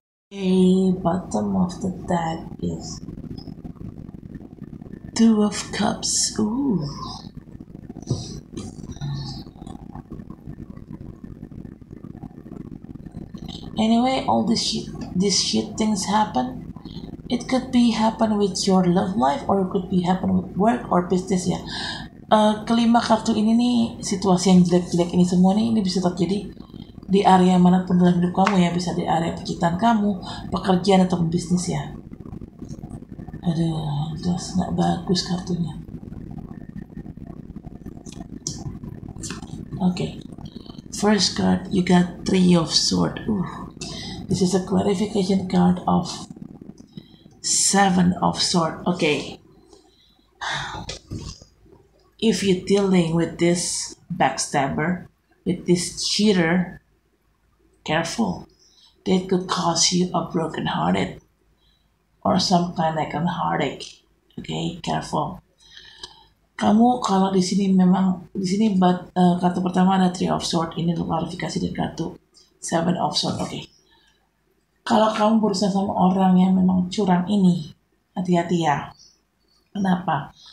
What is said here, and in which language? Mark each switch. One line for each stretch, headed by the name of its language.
English: Okay, bottom of the deck is Two of Cups. Ooh. Anyway, all this shit things happen. It could be happen with your love life, or it could be happen with work or business, ya.
Indonesian: Kelima kartu ini nih, situasi yang jelek-jelek ini semua nih, ini bisa terjadi di area mana pun dalam hidup kamu, ya. Bisa di area percintaan kamu, pekerjaan atau bisnis, ya. Aduh, jelas nggak bagus kartunya.
English: Okay. First card, you got Three of Swords. This is a clarification card of Seven of Swords. Okay. If you're dealing with this backstabber, with this cheater, careful. That could cause you a broken hearted or some kind like a heartache. Okay, careful.
Indonesian: Kamu kalau di sini memang di sini kartu pertama ada Three of Swords, ini untuk klarifikasi dari kartu Seven of Swords. Oke. Okay. Kalau kamu berusaha sama orang yang memang curang ini, hati-hati ya. Kenapa?